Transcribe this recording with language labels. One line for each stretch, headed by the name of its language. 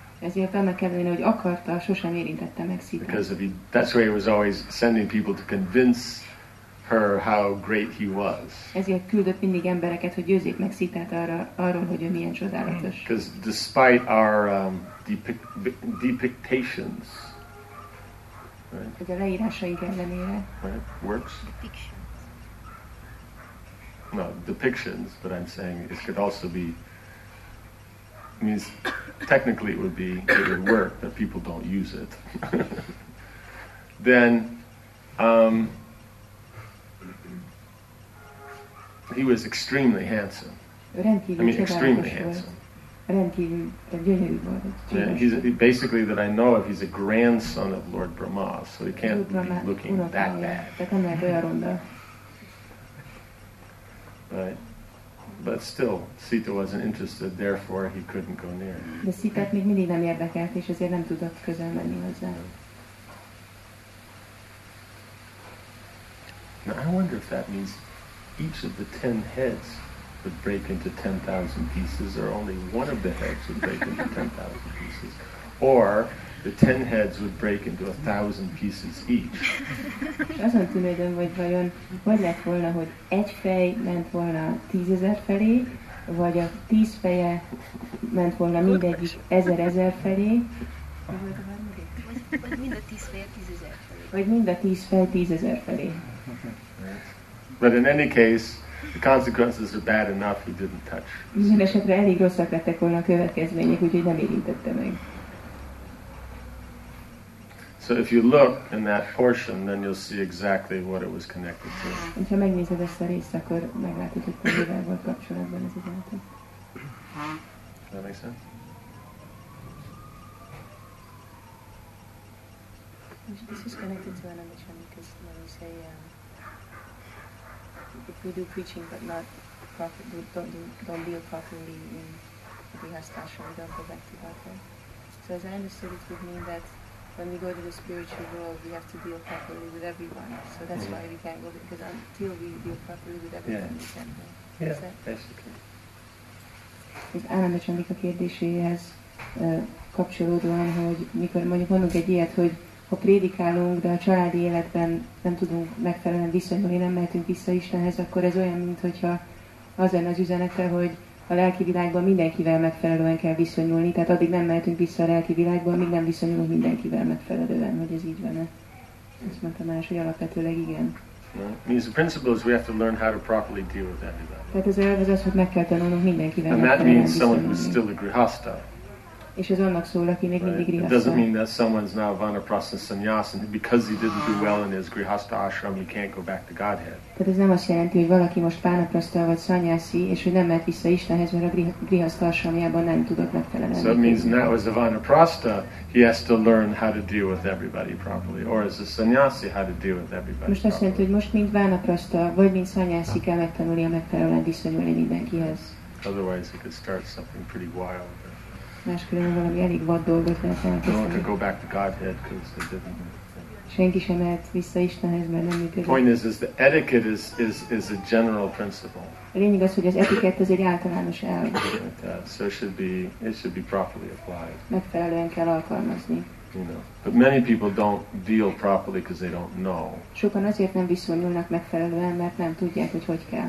Hungarian: Ezért annak ellenére, hogy akarta, sosem érintette meg Sita.
English: Because he, that's why he was always sending people to convince her how great he was.
Hungarian: Ezért küldött mindig embereket, hogy győzzék meg Sitát arról, hogy ő milyen csodálatos.
English: Because despite our depictations, right?
Hungarian: Hogy a leírásaink ellenére.
English: Right? Works? Depictions. No, depictions, but I'm saying it could also be means technically it would work, but people don't use it. Then he was extremely handsome.
Hungarian: Rendkívül,
English: I mean, extremely handsome.
Hungarian: Rendkívül,
English: yeah, he's basically that I know of, he's a grandson of Lord Brahma, so he can't be looking that bad. Right. But still, Sita wasn't interested, therefore he couldn't go near.
Hungarian: De Sitát még mindig nem érdekelt, és ezért nem tudott közel menni hozzá.
English: Now I wonder if that means each of the 10 heads would break into 10,000 pieces, or only one of the heads would break into 10,000 pieces, or the 10 heads would break into 1,000 pieces each.
Hungarian: Azon tűnődöm, hogy vajon hogy lett volna, hogy egy fej ment volna 10,000 felé, vagy a 10 feje ment volna mindegyik 1,000 felé. Vagy mind a 10 fej 10,000 felé.
English: But in any case, the consequences are bad enough, he didn't touch.
Hungarian: Minden esetre elég rosszak lettek volna a következmények, úgyhogy nem érintette meg.
English: So if you look in that portion, then you'll see exactly what it was connected to.
Hungarian: Ha megnézed ezt a részt, akkor meglátod, hogy mivel volt kapcsolatban ez az egész.
English: That makes sense. This is connected to another channel, because when you say, if we do preaching but not profit, don't deal properly in the Hastasha, we don't go back to Bhakti. So as I understood, it would mean that when we go to the spiritual world, we have to deal properly with everyone. So that's why we can't go there, because until we deal properly with everyone, we can't go. Yeah, basically.
Hungarian: Ez Ananda Csandika kérdéséhez kapcsolódóan, hogy mikor mondjuk mondunk egy ilyet, hogy ha prédikálunk, de a családi életben nem tudunk megfelelően viszonyulni, nem mehetünk vissza Istenhez, akkor ez olyan, mintha az lenne az üzenete, hogy a lelki világban mindenkivel megfelelően kell viszonyulni, tehát addig nem mehetünk vissza a lelki világba, amíg nem viszonyulunk mindenkivel megfelelően, hogy ez így van-e. Azt mondta más, hogy alapvetőleg igen.
English: Means the principle is we have to learn how to properly deal with everybody.
Hungarian: Tehát az elv az, hogy meg kell tanulnunk mindenkivel megfelelően viszonyulni.
English: And that means someone who's still a grihasta.
Hungarian: És ez annak szól, aki még mindig grihasta.
English: It doesn't mean that someone's now vanaprastha sannyasi, and because he didn't do well in his grihasta ashram, he can't go back to Godhead.
Hungarian: Tehát ez nem azt jelenti, hogy valaki most vanaprastha vagy sannyasi, és hogy nem mehet vissza Istenhez, mert a grihasta ashramjában nem tudott megfelelően.
English: So it means now as a vanaprastha, he has to learn how to deal with everybody properly, or as a sannyasi, how to deal with everybody properly.
Hungarian: Most azt jelenti, hogy most mint vanaprastha vagy mint sannyasi kell megtanulni a megfelelően viszonyulni mindenkihez.
English: Otherwise, it could start something pretty wild.
Hungarian: Máskülönben valami elég vad dolgot lehet elkezdeni. Senki sem mehet vissza Istenhez, mert nem működik.
English: Point is the etiquette is a general principle.
Hungarian: A lényeg az, hogy az etikett az egy általános elv.
English: So it should be properly applied.
Hungarian: Megfelelően kell alkalmazni.
English: But many people don't deal properly because they don't know.
Hungarian: Sokan azért nem viszonyulnak megfelelően, mert nem tudják, hogy hogy kell.